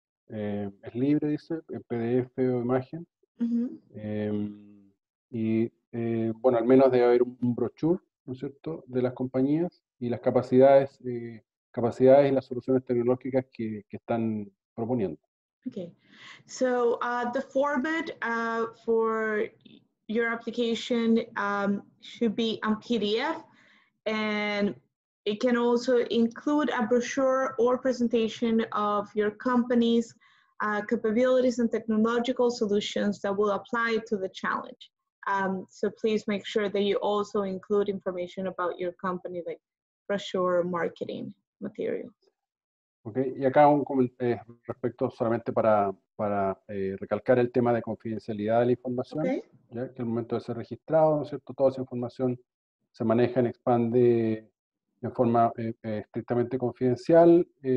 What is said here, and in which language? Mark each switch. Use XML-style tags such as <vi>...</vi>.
<es>Es libre, dice, en PDF o imagen. Mm-hmm. Bueno, al menos debe haber un brochure, ¿no es cierto?, de las compañías y las capacidades y las soluciones tecnológicas que están proponiendo.</es> <en>Okay, so the format for your application should be on PDF, and it can also include a brochure or presentation of your company's capabilities and technological solutions that will apply to the challenge. So please make sure that you also include information about your company, like brochure, marketing material.</en> <es>Okay, y acá un respecto solamente para recalcar el tema de confidencialidad de la información,</es> <en>okay.</en> <es>Ya que al momento de ser registrado, ¿no es cierto?, toda esa información se maneja en Expande en forma estrictamente confidencial.</es>